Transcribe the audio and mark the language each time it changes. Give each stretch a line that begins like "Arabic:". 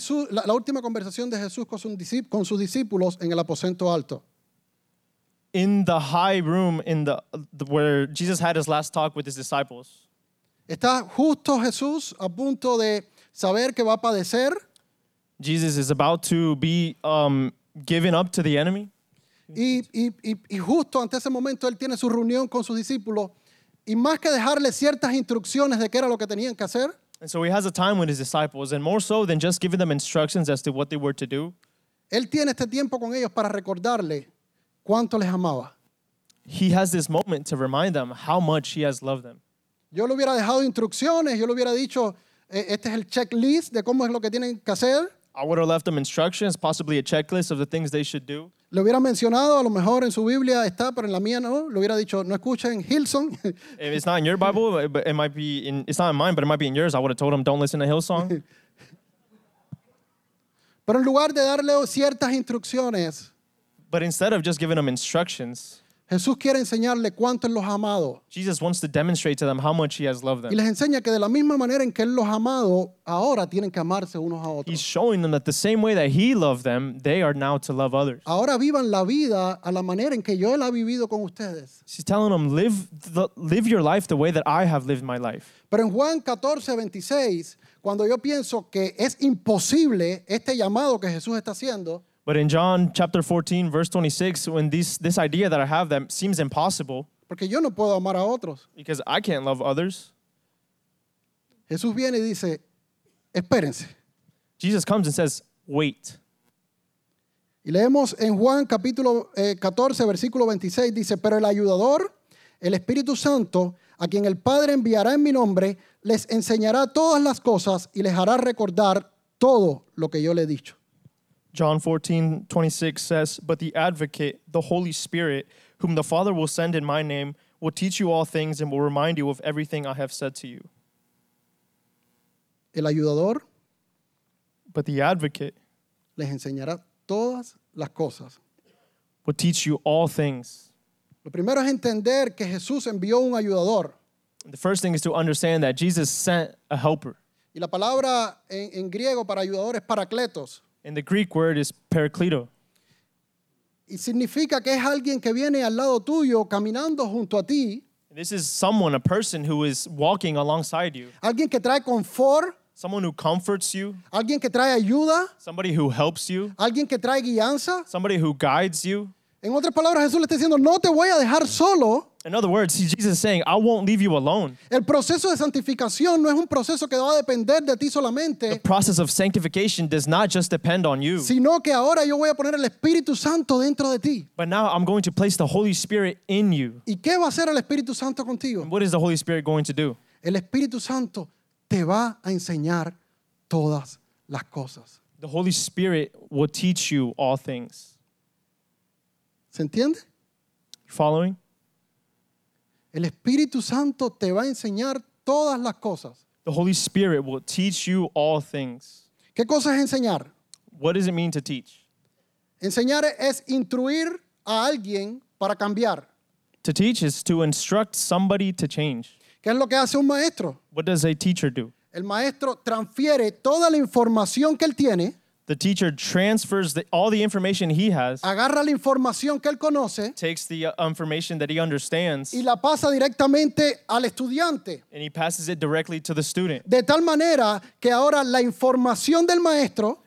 Spanish: La última conversación de Jesús con sus discípulos en el aposento alto.
English: In the high room in the where Jesus had his last talk with his disciples.
Spanish: Está justo Jesús a punto de saber que va a padecer.
English: Jesus is about to be given up to the enemy.
Spanish: Y justo ante ese momento él tiene su reunión con sus discípulos y más que dejarles ciertas instrucciones de qué era lo que tenían que hacer.
English: And so he has a time with his disciples and more so than just giving them instructions as to what they were to do.
Spanish: Él tiene este tiempo con ellos para recordarle cuánto les amaba.
English: He has this moment to remind them how much he has loved them.
Spanish: Yo le hubiera dejado instrucciones, yo le hubiera dicho, este es el checklist de cómo es lo que tienen que hacer.
English: I would have left them instructions, possibly a checklist of the things they should do.
Spanish: Le hubiera mencionado, a lo mejor en su Biblia está, pero en la mía no. Le hubiera dicho, no escuchen Hillsong.
English: If it's not in your Bible, but it might be in, it's not in mine, but it might be in yours. I would have told them, don't listen to Hillsong.
Spanish: Pero en lugar de darle ciertas instrucciones,
English: but instead of just giving them instructions,
Spanish: Jesús quiere enseñarle cuánto él los ha amado.
English: Jesus wants to demonstrate to them how much he has loved them.
Spanish: Y les enseña que de la misma manera en que él los ha amado, ahora tienen que amarse unos a otros.
English: He's showing them that the same way that he loved them, they are now to love others.
Spanish: Ahora vivan la vida a la manera en que yo la he vivido con ustedes.
English: She's telling them, live your life the way that I have lived my life.
Spanish: Pero en Juan 14:26, cuando yo pienso que es imposible este llamado que Jesús está haciendo.
English: But in John chapter 14, verse 26, when this idea that I have that seems impossible.
Spanish: Porque yo no puedo amar a otros.
English: Because I can't love others.
Spanish: Jesús viene y dice, espérense.
English: Jesus comes and says, wait.
Spanish: Y leemos en Juan capítulo 14, versículo 26, dice, pero el ayudador, el Espíritu Santo, a quien el Padre enviará en mi nombre, les enseñará todas las cosas y les hará recordar todo lo que yo le he dicho.
English: John 14:26 says, but the Advocate, the Holy Spirit, whom the Father will send in my name, will teach you all things and will remind you of everything I have said to you.
Spanish: El ayudador,
English: but the Advocate,
Spanish: les enseñará todas las cosas.
English: Will teach you all things.
Spanish: Lo primero es entender que Jesús envió un ayudador.
English: The first thing is to understand that Jesus sent a helper.
Spanish: Y la palabra en griego para ayudador es paracletos.
English: And the Greek word is paracleto.
Spanish: Y significa que es alguien que viene al lado tuyo, caminando junto a ti.
English: This is someone, a person who is walking alongside you.
Spanish: Alguien que trae confort.
English: Someone who comforts you.
Spanish: Alguien que trae ayuda.
English: Somebody who helps you.
Spanish: Alguien que trae guianza.
English: Somebody who guides you.
Spanish: En otras palabras, Jesús le está diciendo, no te voy a dejar solo.
English: In other words, Jesus is saying, I won't leave you alone.
Spanish: El proceso de santificación no es un proceso que va a depender de ti solamente.
English: The process of sanctification does not just depend on you.
Spanish: Sino que ahora yo voy a poner el Espíritu Santo dentro de ti.
English: But now I'm going to place the Holy Spirit in you.
Spanish: ¿Y qué va a hacer el Espíritu Santo contigo?
English: And what is the Holy Spirit going to do?
Spanish: El Espíritu Santo te va a enseñar todas las cosas.
English: The Holy Spirit will teach you all things.
Spanish: ¿Se entiende?
English: Following?
Spanish: El Espíritu Santo te va a enseñar todas las cosas.
English: The Holy Spirit will teach you all things.
Spanish: ¿Qué cosa es enseñar?
English: What does it mean to teach?
Spanish: Enseñar es instruir a alguien para cambiar.
English: To teach is to instruct somebody to change.
Spanish: ¿Qué es lo que hace un maestro?
English: What does a teacher do?
Spanish: El maestro transfiere toda la información que él tiene.
English: The teacher transfers all the information he has.
Spanish: Agarra la información que él conoce.
English: Takes the information that he understands.
Spanish: Y la pasa directamente al estudiante.
English: And he passes it directly to the student.
Spanish: De tal manera que ahora la información del maestro.